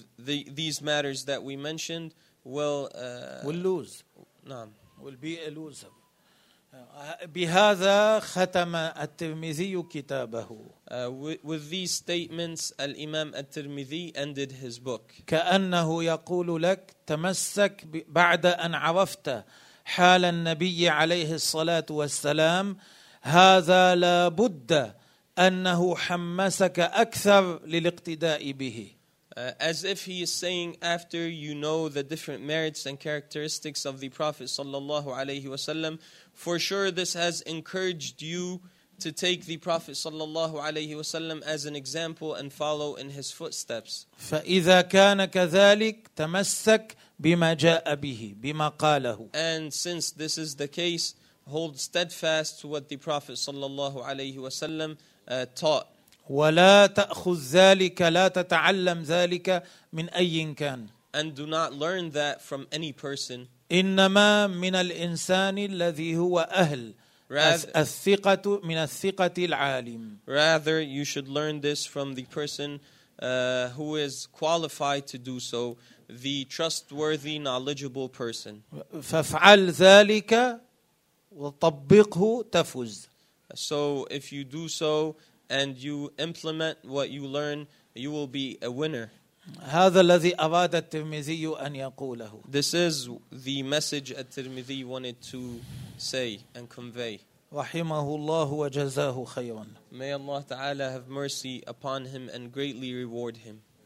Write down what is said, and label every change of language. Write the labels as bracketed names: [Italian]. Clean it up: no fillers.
[English] these matters that we mentioned will lose. [Arabic] نعم. [English] Will be a loser. [Arabic] بهذا ختم الترمذي كتابه. [English] With these statements, الإمام الترمذي ended his book. [Arabic] كأنه يقول لك تمسك بعد أن عرفت حال النبي عليه الصلاة والسلام هذا لابد أنه حمسك أكثر للاقتداء به. [English] As if he is saying, after you know the different merits and characteristics of the Prophet [Arabic] sallallahu alayhi wasallam, [English] for sure this has encouraged you to take the Prophet sallallahu alayhi wasallam as an example and follow in his footsteps. [Arabic] فإذا كان كذلك تمسك بما جاء به بما قاله. [English] And since this is the case, hold steadfast to what the Prophet [Arabic] sallallahu alayhi wasallam [English] taught. [Arabic] ولا تأخذ ذلك لا تتعلم ذلك من أي كان. [English] And do not learn that from any person. [Arabic] إنما من الإنسان الذي هو أهل الثقة من الثقة العالم. [English] Rather you should learn this from the person who is qualified to do so, the trustworthy, knowledgeable person. [Arabic] فافعل ذلك وطبقه تفوز. [English] So if you do so and you implement what you learn, you will be a winner. [Arabic] هذا الذي أراد الترمذي أن يقوله. [English] This is the message at-Tirmidhi wanted to say and convey. [Arabic] رحمه الله وجزاه خيرا. [English] May Allah Ta'ala have mercy upon him and greatly reward him.